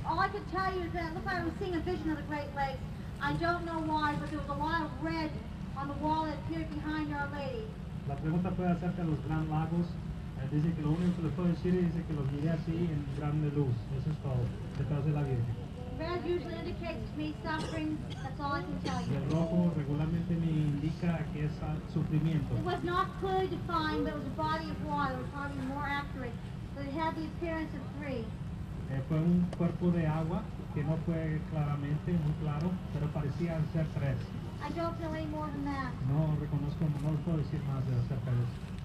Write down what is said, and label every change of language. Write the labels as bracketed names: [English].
[English] All I can tell you is that it looked like I was seeing a vision of the Great Lakes. I don't know why, but there was a lot of red on the wall that appeared behind Our Lady. [Spanish] La pregunta fue acerca de los Gran Lagos. Dice que lo único que le puedo decir es que los miré así en grande luz. Eso es todo. Detrás de la Virgen. [English] Red usually indicates to me suffering, that's all I can tell you. [Spanish] El rojo regularmente me indica que es sufrimiento. [English] It was not clearly defined, but it was a body of water, it was probably more accurate. But it had the appearance of three. [Spanish] Fue un cuerpo de agua que no fue claramente, muy claro, pero parecían ser tres. [English] I don't feel any more than that. [Spanish] No reconozco, no puedo decir más de acerca de eso.